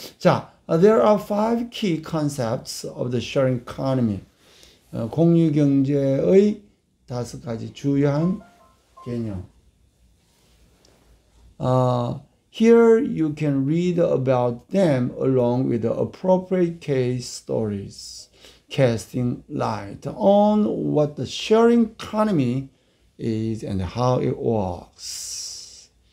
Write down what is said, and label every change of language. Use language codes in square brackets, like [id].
[en] 자, there are five key concepts of the sharing economy. [ko] 공유 경제의 다섯 가지 주요한 개념. [en] Here you can read about them along with the appropriate case stories, casting light on what the sharing economy is and how it works.